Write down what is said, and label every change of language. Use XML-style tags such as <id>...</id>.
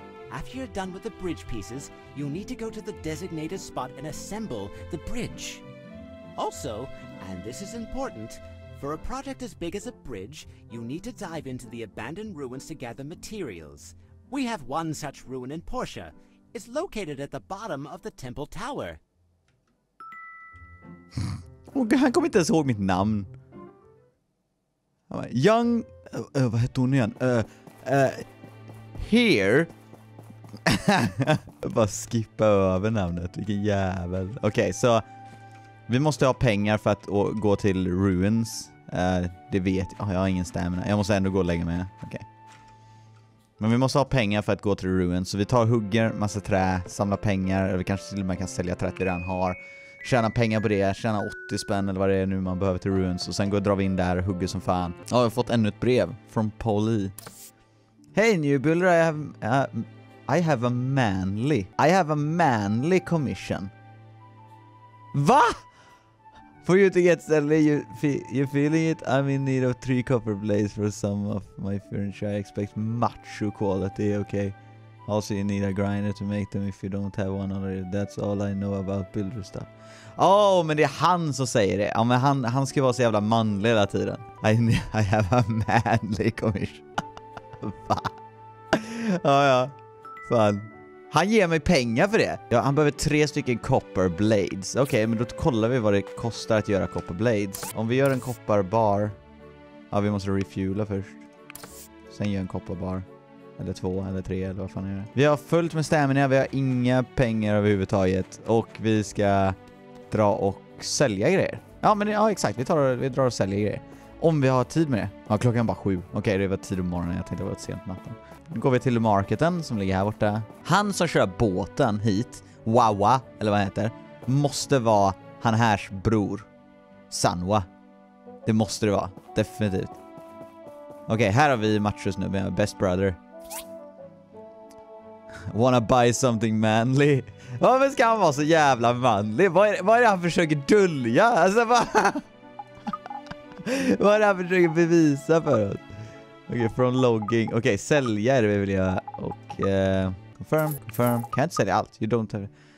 <en>After you're done with the bridge pieces, you'll need to go to the designated spot and assemble the bridge. Also, and this is important, for a project as big as a bridge, you need to dive into the abandoned ruins to gather materials. We have one such ruin in Portia. It's located at the bottom of the Temple Tower.</en> <sv>Han kommer inte ens ihåg mitt namn. Young... vad heter hon igen? Here... Bara skippa över namnet. Vilken jävel. Okej, så... Vi måste ha pengar för att gå till ruins. Det vet jag. Jag har ingen stamina. Jag måste ändå gå och lägga mig. Okej. Men vi måste ha pengar för att gå till ruins. Så vi tar hugger, massa trä, samlar pengar. Eller kanske till och med kan sälja trä vi redan har. Tjäna pengar på det, tjäna 80 spänn eller vad det är nu man behöver till ruins. Och sen går dra in där och hugger som fan. Ja, jag har fått ännu ett brev från Polly.</sv> <en>Hey newbuilder, I have a manly commission.</en> <sv>Va?</sv> <en>For you to get steady, you feeling it? I'm in need of 3 copper blades for some of my furniture. I expect macho quality, okay? Also you need a grinder to make them if you don't have one already. That's all I know about builder stuff.</en> <sv>Åh, men det är han som säger det. Ja, men han ska vara så jävla manlig hela tiden.</sv> <en>I have a manly commission.</en> <sv>Ja. Fan. Han ger mig pengar för det. Ja, han behöver 3 stycken copper blades. Okej, men då kollar vi vad det kostar att göra copper blades. Om vi gör en copper bar. Ja, vi måste refuela först. Sen gör en copper bar. Eller 2 eller 3 eller vad fan är det. Vi har fullt med stamina. Vi har inga pengar överhuvudtaget. Och vi ska... dra och sälja grejer. Ja, men ja, exakt. Vi drar och säljer grejer. Om vi har tid med det. Ja, klockan är bara 7. Okej, det var tid om morgonen. Jag tänkte att det var sent natten. Nu går vi till marketen som ligger här borta. Han som kör båten hit, Wawa, eller vad han heter, måste vara han härs bror, Sanwa. Det måste det vara. Definitivt. Okej, här har vi Matrus nu med</sv> <en>best brother. Wanna buy something manly?</en> <sv>Varför ska han vara så jävla manlig? Vad är det han försöker dölja? Alltså, vad är det han försöker bevisa för oss? Okej, från logging. Okej, sälja är det vi vill göra. Och confirm. Kan inte sälja allt.</sv> <en>You don't have...</en>